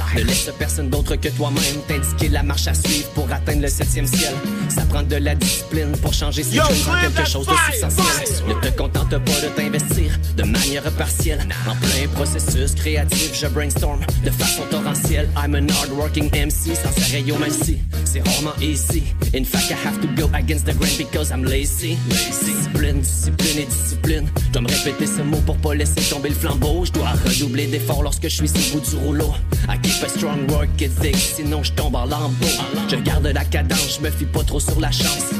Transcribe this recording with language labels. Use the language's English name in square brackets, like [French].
[French] Ne laisse personne d'autre que toi-même t'indiquer la marche à suivre pour atteindre le septième ciel. Ça prend de la discipline pour changer ses [English] dreams [French] en quelque chose de substantiel. Ne te contente pas de t'investir de manière partielle. En plein processus créatif, je brainstorm de façon torrentielle. [English] I'm an hardworking MC, [French] sans arrêt, yo, même si c'est rarement [English] easy. In fact, I have to go against the grain because I'm lazy. [French] Discipline, discipline et discipline. Je dois me répéter ce mot pour pas laisser tomber le flambeau. Je dois redoubler d'efforts lorsque je suis au bout du rouleau. [English] I keep a strong work ethic, [French] sinon je tombe en lambeau. Je garde la cadence, je me fie pas trop sur la chance.